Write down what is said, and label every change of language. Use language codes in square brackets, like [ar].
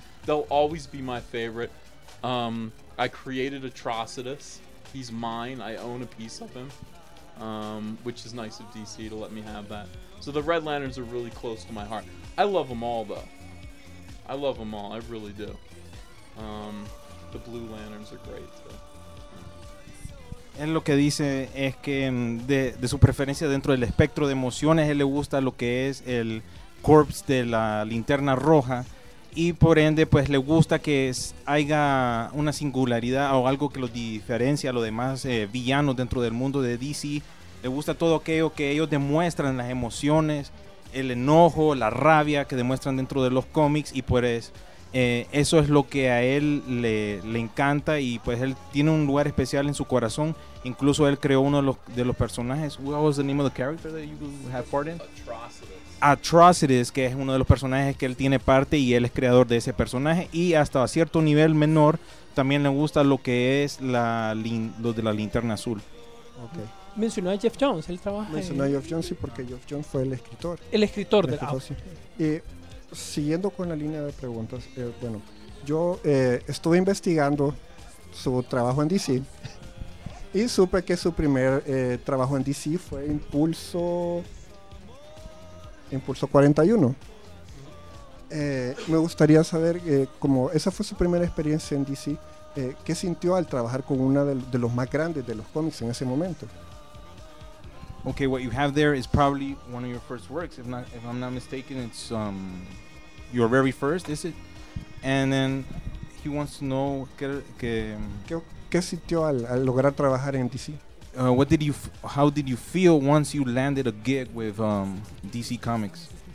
[en] They'll always be my favorite. I created Atrocitus. He's mine. I own a piece of him, which is nice of DC to let me have that. So the Red Lanterns are really close to my heart. I love them all, though. I love them all. I really do. The Blue Lanterns are great, too. [es] Él lo que dice es que de su preferencia dentro del espectro de emociones, él le gusta lo que es el corpse de la linterna roja, y por ende pues le gusta que haya una singularidad o algo que los diferencia a los demás villanos dentro del mundo de DC. Le gusta todo aquello que ellos demuestran, las emociones, el enojo, la rabia que demuestran dentro de los cómics, y pues eso es lo que a él le encanta, y pues él tiene un lugar especial en su corazón. Incluso él creó uno de los personajes. [en] What was the name of the character that you have part in? [es] Atrocities, que es uno de los personajes que él tiene parte, y él es creador de ese personaje. Y hasta a cierto nivel menor también le gusta lo que es lo de la linterna azul. Okay. Mencionó a Geoff Johns, él trabaja. Mencionó a Geoff Johns, sí, porque Geoff Johns fue el escritor. El escritor de la. Siguiendo con la línea de preguntas, bueno, yo estuve investigando su trabajo en DC y supe que su primer trabajo en DC fue Impulso 41. Me gustaría saber, como esa fue su primera experiencia en DC, ¿qué sintió al trabajar con una de los más grandes de los cómics en ese momento? [en] Okay, what you have there is probably one of your first works. If I'm not mistaken, it's your very first, is it? And then he wants to know [es] ¿Qué sintió al lograr trabajar en DC? [en] How did you feel once you landed a gig with DC Comics?